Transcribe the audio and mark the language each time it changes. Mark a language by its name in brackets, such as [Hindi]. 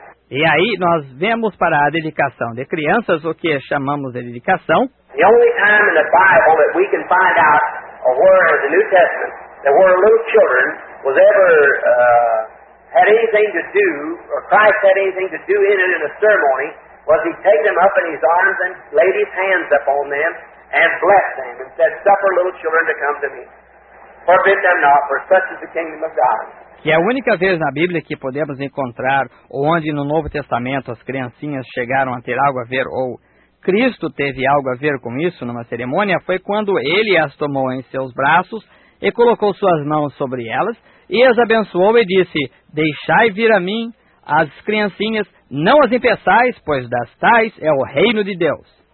[Portuguese] E aí nós vemos para a dedicação de crianças o que chamamos de dedicação. [English] The only time in the Bible that we can find out a word in the New Testament that where little children was ever had anything to do, or Christ had anything to do in it in a ceremony, was he taken them up in his arms and laid his hands upon them and blessed them and said, "Suffer little children to come to me. Forbid them not, for such is the kingdom of God." [Portuguese] Que é a única vez na Bíblia que podemos encontrar onde no Novo Testamento as criancinhas chegaram a ter algo a ver ou Cristo teve algo a ver com isso numa cerimônia, foi quando ele as tomou em seus braços e colocou suas mãos sobre elas e as abençoou e disse, deixai vir a mim as criancinhas, não as impeçais, pois das tais é o reino de Deus.